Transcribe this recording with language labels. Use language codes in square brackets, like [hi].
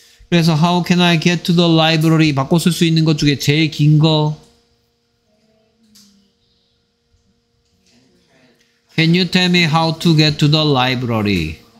[ko] 그래서 [en] How can I get to the library? [ko] 바꿔 쓸 수 있는 것 중에 제일 긴 거. [en] Can you tell me how to get to the library?